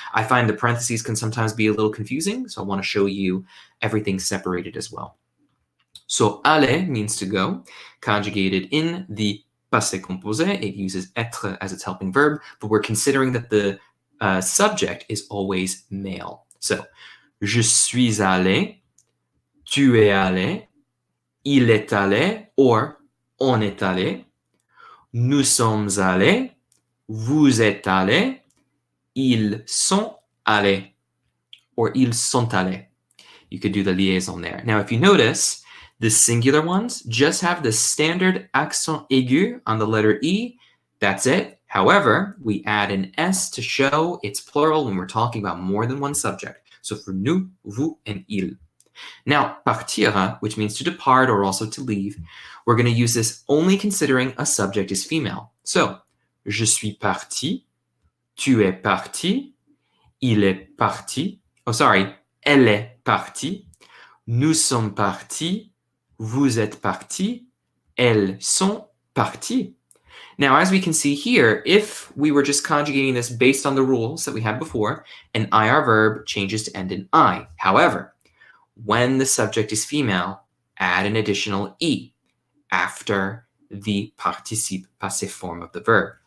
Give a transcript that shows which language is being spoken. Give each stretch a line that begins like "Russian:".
English: I find the parentheses can sometimes be a little confusing, so I want to show you everything separated as well. So aller means to go, conjugated in the passé composé. It uses être as its helping verb, but we're considering that the subject is always male.
French: So je suis allé, tu es allé, il est allé, or on est allé, nous sommes allés, vous êtes allés, ils sont allés, or ils sont allés.
English: You could do the liaison there. Now, if you notice, the singular ones just have the standard accent aigu on the letter E. That's it. However, we add an S to show it's plural when we're talking about more than one subject. So for nous, vous, and il. Now, partir, which means to depart or also to leave, we're going to use this only considering a subject is female.
French: So, je suis parti, tu es parti, il est parti,
English: oh sorry,
French: elle est partie, nous sommes partis, vous êtes partis, elles sont parties.
English: Now, as we can see here, if we were just conjugating this based on the rules that we had before, an IR verb changes to end in I. However, when the subject is female, add an additional E after the participe passé form of the verb.